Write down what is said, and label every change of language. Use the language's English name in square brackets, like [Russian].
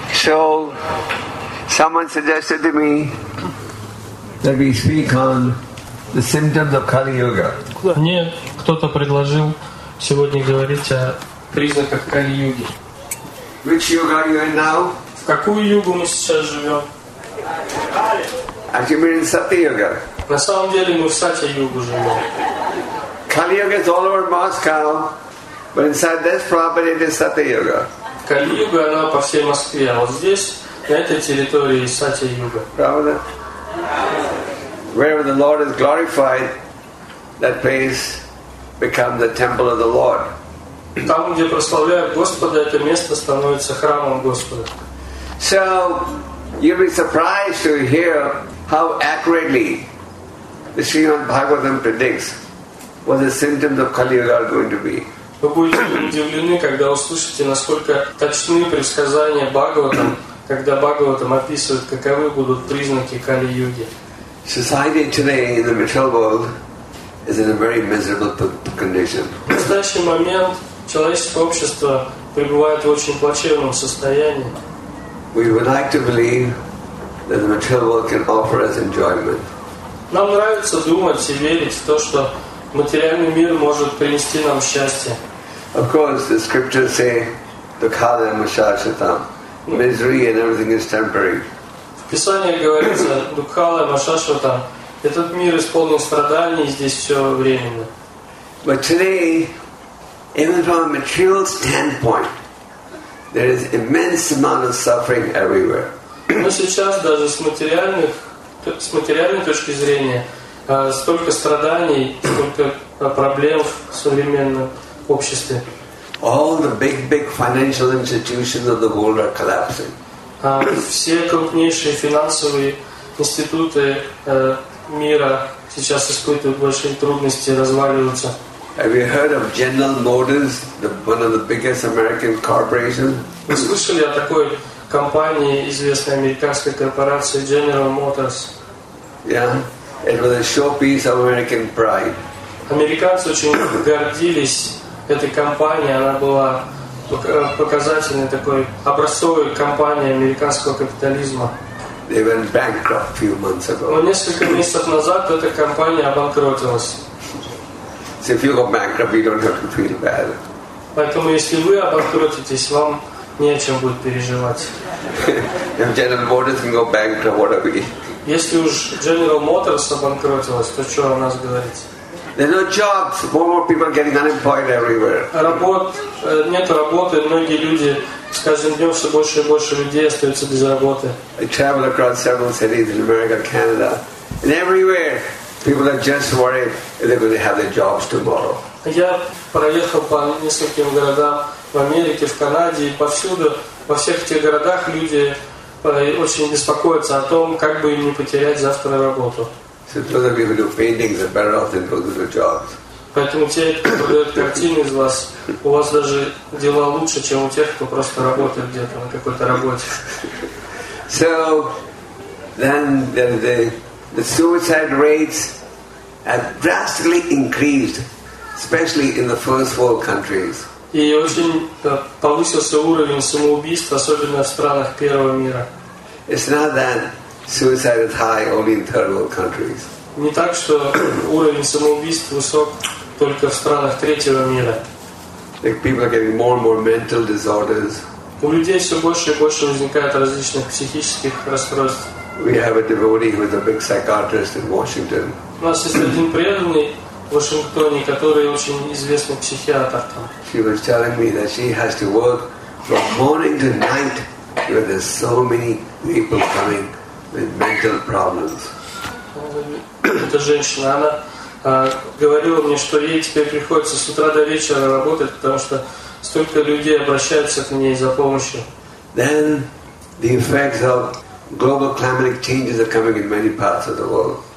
[English] show, someone suggested to me that we speak on the symptoms of Kali Yuga. [Russian] Мне кто-то предложил сегодня говорить о признаках Кали Юги. [English] Which yuga are you in now? [Russian] В какую югу мы сейчас живем? [English] Are you in Sati Yuga? [Russian] На самом деле мы в Сати Югу живем. [English] Kali Yuga is all over Moscow, but inside this property it is Sati Yuga. [Russian] Kali Yuga она по всей Москве, а вот здесь на этой территории Сати Юга. Правда? [English] Wherever the Lord is glorified, that place becomes the temple of the Lord. [Russian] Там, где прославляют Господа, это место становится храмом Господа. [English] So you'll be surprised to hear how accurately the Srimad Bhagavatam predicts what the symptoms of Kali Yuga are going to be. [Russian] Вы будете удивлены, когда услышите, насколько точны предсказания Бхагаватам, когда Бхагаватам описывает, каковы будут признаки Кали Юги. [English] Society today in the material world is in a very miserable condition. [Russian] В настоящий момент человеческое общество пребывает в очень плачевном состоянии. [English] We would like to believe that the material world can offer us enjoyment. [Russian] Нам нравится думать и верить в то, что материальный мир может принести нам счастье. [English] Of course, the scriptures say, [Sanskrit] "Dukhale mashashatam." [English] Misery and everything is temporary. [Russian] В Писании говорится, [Sanskrit] Дукхала Машашватам, [Russian] этот мир исполнен страданий, и здесь все временно. [English] But today, even from a material standpoint, there is immense amount of suffering everywhere. [Russian] Но сейчас даже с материальной точки зрения, столько страданий, столько проблем в современном обществе. [English] All the big financial institutions of the world are collapsing. [Russian] Все крупнейшие финансовые институты мира сейчас испытывают большие трудности, разваливаются. [English] Have you heard of General Motors, one of the biggest American corporations? [Russian] Вы слышали о такой компании, известной американской корпорации General Motors? [English] Yeah, it was a showpiece of American pride. [Russian] Американцы очень гордились этой компанией, она была показательной такой образцовой компании американского капитализма. [English] They went bankrupt few months ago. [Russian] Но несколько месяцев назад эта компания обанкротилась. [English] So if you go bankrupt, you don't have to feel bad. [Russian] Поэтому если вы обанкротитесь, вам не о чем будет переживать. [English] If General Motors can go bankrupt, what are we? [Russian] Если уж General Motors обанкротилась, то что о нас говорить? [English] There's no jobs. More and more people are getting unemployed everywhere. [Russian] Нет работы. Многие люди с каждым днем все больше и больше людей остаются без работы. [English] I travel across several cities in America, Canada, and everywhere people are just worried if they're going to have their jobs tomorrow. [Russian] Я проехал по нескольким городам в Америке, в Канаде, и повсюду, во всех этих городах люди очень беспокоятся о том, как бы им не потерять завтра работу. [English] So those of you who do paintings are better off than those who do jobs. [Russian] Поэтому те, кто продает картины из вас, у вас даже дела лучше, чем у тех, кто просто работает где-то на какой-то работе. [English] So then the suicide rates have drastically increased, especially in the first world countries. [Russian] И очень повысился уровень самоубийств, особенно в странах первого мира. [English] It's not that suicide is high only in third world countries. [Russian] Не так, что уровень самоубийств высок только в странах третьего мира. [English] Like people are getting more and more mental disorders. [Russian] У людей все больше и больше возникает различных психических расстройств. [English] We have a devotee who is a big psychiatrist in Washington. [Russian] У нас есть один преданный в Вашингтоне, который очень известный психиатр там. [English] She was telling me that she has to work from morning to night because there's so many people coming with mental problems. [Russian] Эта женщина, она говорила мне, что ей теперь приходится с утра до вечера работать, потому что столько людей обращаются к ней за помощью. [English] Then the effects of global climatic changes are coming in many parts of the world.